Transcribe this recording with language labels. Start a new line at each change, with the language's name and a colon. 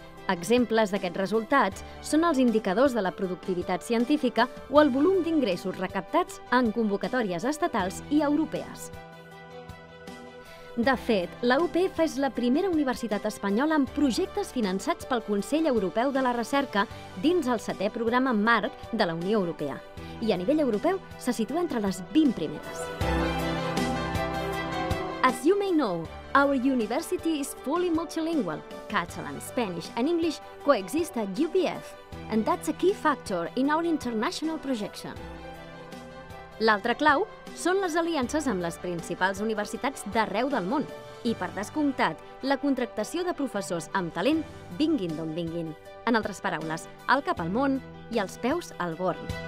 Catalan: Exemples d'aquests resultats són els indicadors de la productivitat científica o el volum d'ingressos recaptats en convocatòries estatals i europees. De fet, la UPF és la primera universitat espanyola amb projectes finançats pel Consell Europeu de la Recerca dins el 7è programa Marc de la Unió Europea. I a nivell europeu se situa entre les 20 primeres.
English: As you may know, our university is fully multilingual. Catalan, Spanish and English coexist at UPF, and that's a key factor in our international projection.
Catalan: L'altra clau són les aliances amb les principals universitats d'arreu del món i, per descomptat, la contractació de professors amb talent vinguin d'on vinguin. En altres paraules, el cap al món i els peus al born.